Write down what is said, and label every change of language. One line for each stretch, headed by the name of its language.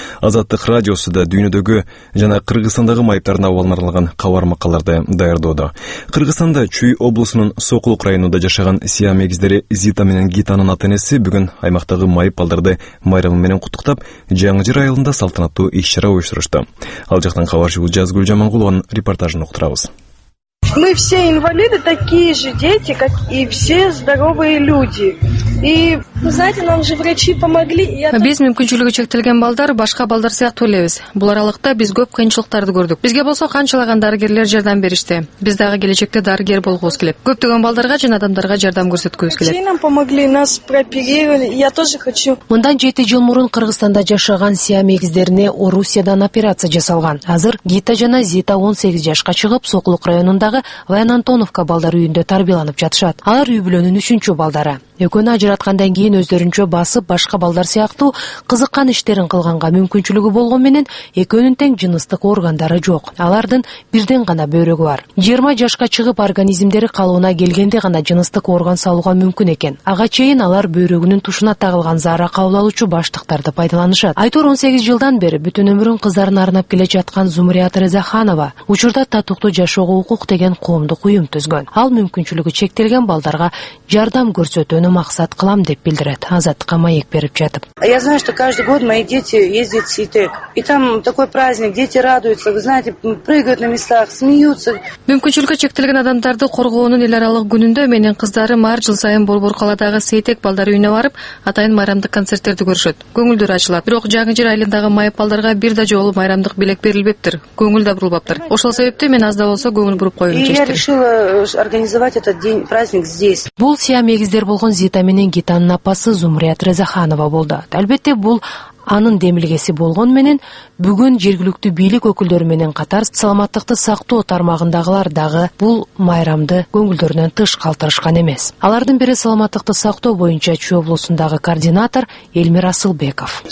Kyrgyz: Азаттык радиосу да дүйнөдөгү жана Кыргызстандагы майыптардын абалына арналган кабар макалаларды даярдоодо. Кыргызстанда Чүй облусунун Сокулук районунда жашаган Сиам эгиздери Зита менен Гитанын ата энеси бүгүн аймактагы майып балдарды майрамы менен куттуктап, Жаңы Жер айылында салтанаттуу иш чара уюштурушту. Ал жактан кабарчыбыз Жазгүл Жаманкулованын репортажын уктурабыз.
Russian: Мы все инвалиды, такие же дети, как и все здоровые люди. И, знаете, нам же врачи помогли.
Kyrgyz: Биз мүмкүнчүлүгү чектелген балдар башка балдар сыяктуу элебиз. Бул аралыкта биз көп кыйынчылыктарды көрдүк. Бизге болсо канчалаган дарыгерлер жардам беришти. Биз дагы келечекте дарыгер болгубуз келет. Көптөгөн балдарга жана адамдарга жардам көрсөткүбүз келет.
Russian: Врачи нам помогли, нас прооперировали. Я тоже хочу.
Kyrgyz: Мындан 7 жыл мурун Кыргызстанда жашаган Сиам эгиздерине Орусиядан операция жасалган. Азыр Гита жана Зита 18 жашка чыгып, Сокулук районунда Ваян Антоновка балдар үйүндө тарбияланып жатышат. Алар үй бүлөнүн 3-чү балдары. Экөөнү ажыраткандан кийин өздөрүнчө басып башка балдар сыяктуу кызыккан иштерин кылганга мүмкүнчүлүгү болгон менен экөөнүн тең жыныстык органдары жок. Алардын бирден гана бөйрөгү бар. 20 жашка чыгып организмдери калыбына келгенде гана жыныстык орган салууга мүмкүн экен. Ага чейин алар бөйрөгүнүн тушуна тагылган заара кабылалуучу баштыктарды пайдаланышат. Айтор 18 жылдан бери бүтүн өмүрүн кыздарына арнап келе жаткан Зумрият Резаханова учурда татыктуу жашоого укук деген деген коомдук уюм түзгөн. Ал мүмкүнчүлүгү чектелген балдарга жардам көрсөтүүнү максат кылам деп билдирет. Азаттыкка маек берип жатып.
Russian: Я знаю, что каждый год мои дети ездят в Ситек. И там такой праздник, дети радуются, вы знаете, прыгают на местах, смеются.
Kyrgyz: Мүмкүнчүлүгү чектелген адамдарды коргоонун эл аралык күнүндө менин кыздарым ар жыл сайын Борбор-Каладагы Ситек балдар үйүнө барып, атайын майрамдык концерттерди көрүшөт. Көңүлдөрү ачылат. Бирок жаңы жер айылындагы майып балдарга бир да жолу майрамдык билек берилбептир. Көңүл да бурулбаптыр. Ошол себептен мен аз да болсо көңүл буруп коюуну чечтим.
Russian: Я решила организовать этот день праздник здесь.
Kyrgyz: Бул сиям эгиздер болгон Зита менен Гитанын апасы Зумрият Рызаханова болду. Албетте бул анын демилгеси болгон менен бүгүн жергиликтүү бийлик өкүлдөрү менен катар саламаттыкты сактоо тармагындагылар дагы бул майрамды көңүлдөрүнөн тыш калтырышкан эмес. Алардын бири саламаттыкты сактоо боюнча Чүй облусундагы координатор Элмир Асылбеков.